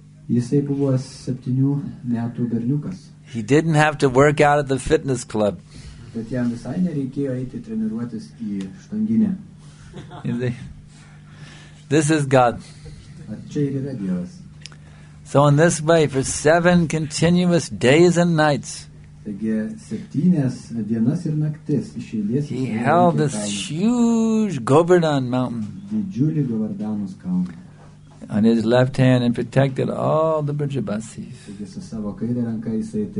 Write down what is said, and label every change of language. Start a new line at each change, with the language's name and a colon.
Lithuanian: Jisai buvo 7 metų berniukas.
English: He didn't have to work out at the fitness club.
Lithuanian: Bet jam visai nereikėjo eiti treniruotis į štanginę.
English: This is God.
Lithuanian: Čia ir yra Dievas.
English: So in this way, for 7 continuous days and nights, he held this huge Govardhan mountain on his left hand and protected all the Brijabasis.